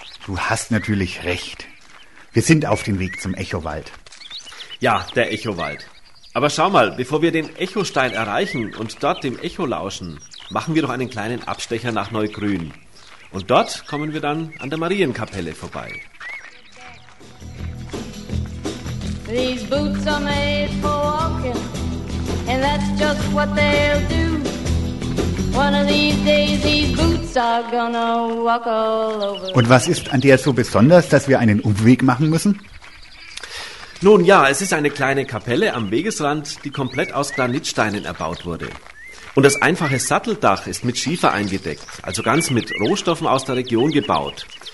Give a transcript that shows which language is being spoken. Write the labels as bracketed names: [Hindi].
[German] Du hast natürlich recht. Wir sind auf dem Weg zum Echowald. Ja, der Echowald. Aber schau mal, bevor wir den Echostein erreichen und dort dem Echo lauschen, machen wir doch einen kleinen Abstecher nach Neugrün. Und dort kommen wir dann an der Marienkapelle vorbei. [English] These boots are made for walking, and that's just what they'll do. One of these days these boots are gonna walk all over. [German] Und was ist an der so besonders, dass wir einen Umweg machen müssen? Nun ja, es ist eine kleine Kapelle am Wegesrand, die komplett aus Granitsteinen erbaut wurde. Und das einfache Satteldach ist mit Schiefer eingedeckt, also ganz mit Rohstoffen aus der Region gebaut.